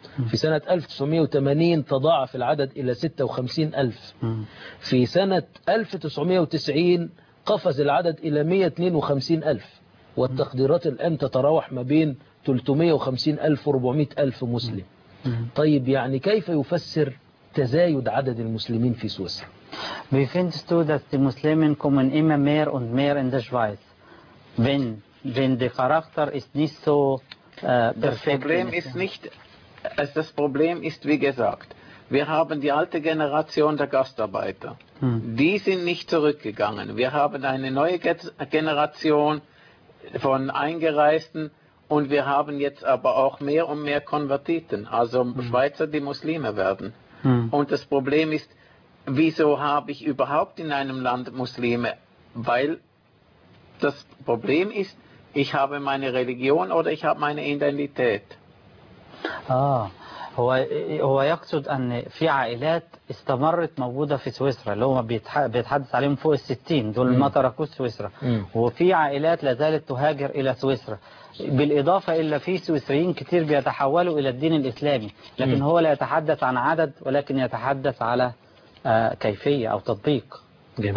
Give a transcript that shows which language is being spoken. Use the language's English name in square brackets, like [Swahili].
[Arabic] في سنة 1980 تضاعف العدد إلى 56,000 في سنة 1990 قفز العدد إلى 152,000 والتقديرات الآن تتراوح ما بين 350,000 و 400,000 مسلم طيب يعني كيف يفسر تزايد عدد المسلمين في سويسرا [German] Wie findest du, dass die Muslimen kommen immer mehr und mehr in der Schweiz? Wenn der Charakter ist nicht so perfekt. Das Problem ist nicht, Also das Problem ist, wie gesagt, wir haben die alte Generation der Gastarbeiter. Die sind nicht zurückgegangen. Wir haben eine neue Generation von Eingereisten und wir haben jetzt aber auch mehr und mehr Konvertiten, also Schweizer, die Muslime werden. Und das Problem ist, wieso habe ich überhaupt in einem Land Muslime? Weil das Problem ist, ich habe meine Religion oder ich habe meine Identität. آه [Arabic] هو يقصد أن في عائلات استمرت موجودة في سويسرا اللي هو بيتحدث عليهم فوق 60 دول ما تركوا سويسرا وفي عائلات لازالت تهاجر إلى سويسرا بالإضافة إلى في سويسريين كتير بيتحولوا إلى الدين الإسلامي لكن هو لا يتحدث عن عدد ولكن يتحدث على كيفية أو تطبيق جميل.